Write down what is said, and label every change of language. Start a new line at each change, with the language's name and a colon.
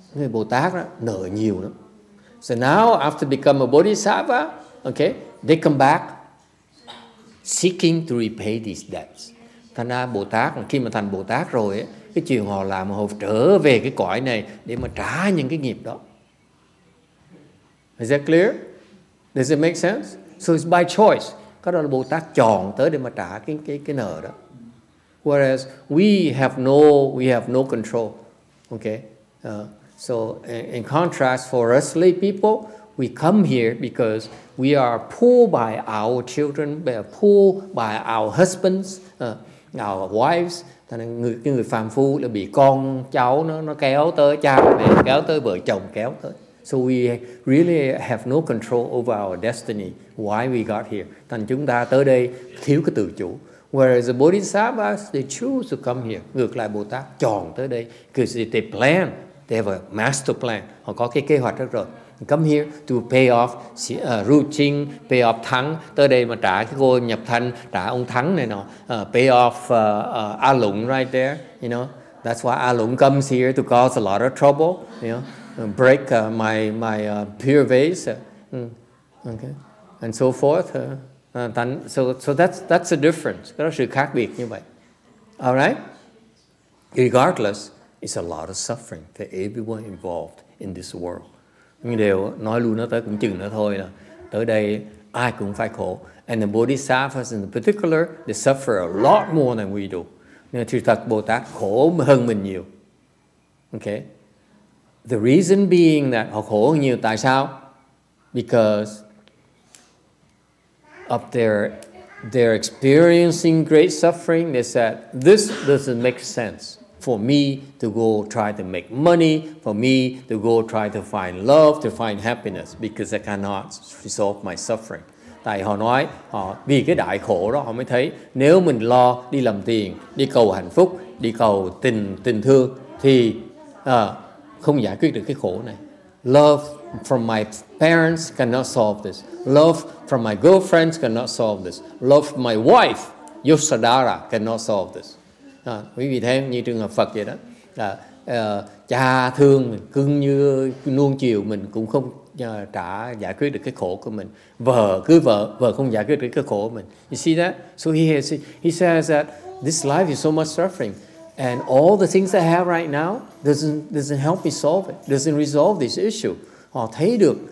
Vietnamese: Người Bồ Tát đó, nợ nhiều lắm.
English: So now, after become a bodhisattva, okay, they come back seeking to repay these debts.
Vietnamese: Thành ra Bồ Tát, khi mà thành Bồ Tát rồi, cái chuyện họ làm, họ trở về cái cõi này để mà trả những cái nghiệp đó.
English: Is that clear? Does it make sense? So it's by choice.
Vietnamese: Cái đó là Bồ Tát chọn tới để mà trả cái nợ đó.
English: Whereas we have no control, okay? So in contrast, for us lay people, we come here because we are pulled by our children, we are pulled by our husbands, our wives.
Vietnamese: Thế nên người phàm phu là bị con cháu nó kéo tới, cha mẹ kéo tới, vợ chồng kéo tới.
English: So we really have no control over our destiny, why we got here.
Vietnamese: Thế nên chúng ta tới đây thiếu cái tự chủ.
English: Whereas the bodhisattvas, they choose to come here.
Vietnamese: Ngược lại Bồ Tát chọn tới đây
English: because they plan. They have a master plan.
Vietnamese: Họ có cái kế hoạch rất rồi.
English: Come here to pay off Ruching, pay off Thắng.
Vietnamese: Tới đây mà trả cái cô Nhập Thanh, trả ông Thắng này nọ.
English: Pay off A Lũng right there. You know, that's why A Lũng comes here to cause a lot of trouble. You know, break my pure vase. Okay, and so forth. So that's the difference.
Vietnamese: Cái đó sự khác biệt như vậy.
English: All right. Regardless. It's a lot of suffering for everyone involved in this world.
Vietnamese: Nhưng đều nói luôn nó tới cũng chừng nó thôi là tới đây ai cũng phải khổ.
English: And the bodhisattvas in particular, they suffer a lot more than we do.
Vietnamese: Nên thực thật Bồ Tát khổ hơn mình nhiều. Okay.
English: The reason being that
Vietnamese: họ khổ hơn nhiều tại sao?
English: Because up there, they're experiencing great suffering. They said, this doesn't make sense. For me to go try to make money, for me to go try to find love, to find happiness, because I cannot resolve my suffering.
Vietnamese: Tại họ nói, họ vì cái đại khổ đó họ mới thấy nếu mình lo đi làm tiền, đi cầu hạnh phúc, đi cầu tình thương thì không giải quyết được cái khổ này.
English: Love from my parents cannot solve this. Love from my girlfriends cannot solve this. Love from my wife, Yosadara, cannot solve this.
Vietnamese: Quý vị thấy như trường hợp Phật vậy đó, cha thương mình, cưng như nuông chiều mình cũng không trả giải quyết được cái khổ của mình, vợ không giải quyết được cái khổ của mình.
English: You see that? So he says that this life is so much suffering, and all the things I have right now doesn't help me solve it, doesn't resolve this issue.
Vietnamese: Họ thấy được